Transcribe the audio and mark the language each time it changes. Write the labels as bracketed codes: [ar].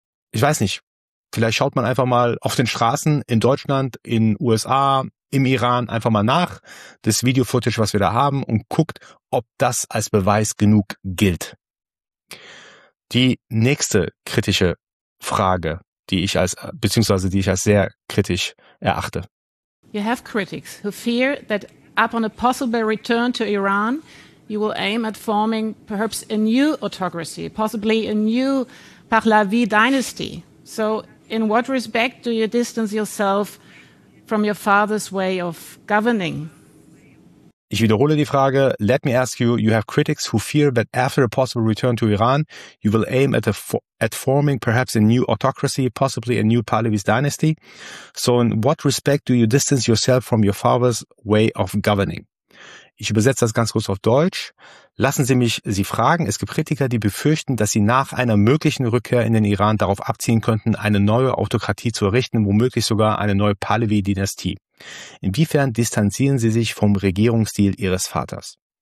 [de] Ich weiß nicht. Vielleicht schaut man einfach mal auf den Straßen in Deutschland, in USA, im Iran einfach mal nach, das Video-Footage, was wir da haben, und guckt, ob das als Beweis genug gilt. Die nächste kritische Frage, die ich als sehr kritisch erachte. [en] You have critics who fear that upon a possible return to Iran, you will aim at forming perhaps a new autocracy, possibly a new Pahlavi dynasty. So in what respect do you distance yourself from your father's way of governing? [de] Ich wiederhole die Frage. [en] Let me ask you, you have critics who fear that after a possible return to Iran, you will aim at forming perhaps a new autocracy, possibly a new Pahlavi dynasty. So in what respect do you distance yourself from your father's way of governing? [de] Ich übersetze das ganz kurz auf Deutsch. Lassen Sie mich Sie fragen. Es gibt Kritiker, die befürchten, dass Sie nach einer möglichen Rückkehr in den Iran darauf abzielen könnten, eine neue Autokratie zu errichten, womöglich sogar eine neue Pahlavi-Dynastie. Inwiefern distanzieren Sie sich vom Regierungsstil Ihres Vaters?